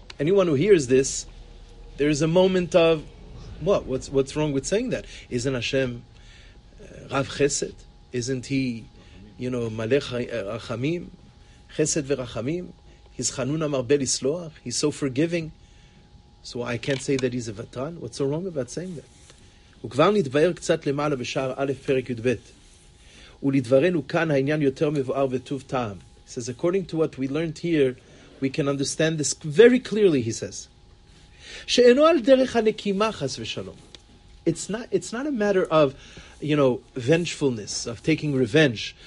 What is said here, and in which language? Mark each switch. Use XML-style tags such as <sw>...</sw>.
<en>Anyone who hears this, there is a moment of, What's wrong with saying that? Isn't Hashem Rav Chesed? Isn't he, Malech Rachamim? Chesed v'Rachamim? He's Chanuna Marbel Isloach? He's so forgiving. So I can't say that he's a Vatran? What's so wrong about saying that?</en> <he>וכבר נתבהר קצת למעלה בשער א' פרק י' ב'. ולדברנו כאן העניין יותר מבואר וטוב טעם.</he> <en>He says, according to what we learned here, we can understand this very clearly, he says.</en> <he>שאינו על דרך הנקימה חס ושלום.</he> <en>It's not a matter of, vengefulness, of taking revenge.</en>